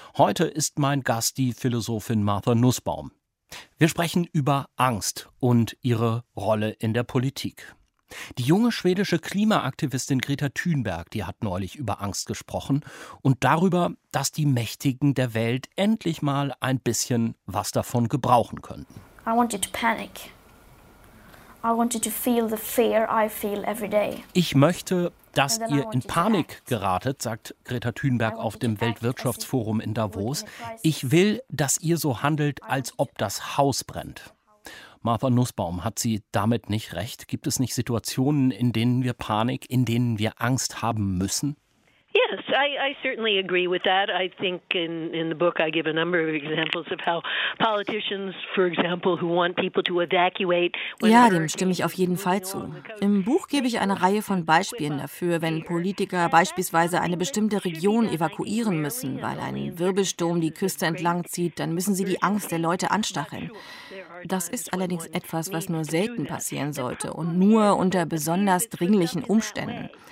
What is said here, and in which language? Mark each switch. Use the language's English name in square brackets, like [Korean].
[German] Heute ist mein Gast die Philosophin Martha Nussbaum. Wir sprechen über Angst und ihre Rolle in der Politik. Die junge schwedische Klimaaktivistin Greta Thunberg, die hat neulich über Angst gesprochen und darüber, dass die Mächtigen der Welt endlich mal ein bisschen was davon gebrauchen könnten. [English] I wanted to panic. I wanted to feel the fear I feel every day. [German] Ich möchte, dass ihr in Panik geratet, sagt Greta Thunberg auf dem Weltwirtschaftsforum in Davos. Ich will, dass ihr so handelt, als ob das Haus brennt. Martha Nussbaum, hat sie damit nicht recht? Gibt es nicht Situationen, in denen wir Panik, in denen wir Angst haben müssen? [English] Yes, I certainly agree with that. I think in the book I give a number of examples of how politicians, for example, who want people to evacuate. [German] Ja, dem stimme ich auf jeden Fall zu. Im Buch gebe ich eine Reihe von Beispielen dafür, wenn Politiker beispielsweise eine bestimmte Region evakuieren müssen, weil ein Wirbelsturm die Küste entlang zieht, dann müssen sie die Angst der Leute anstacheln. Das ist allerdings etwas, was nur selten passieren sollte und nur unter besonders dringlichen Umständen.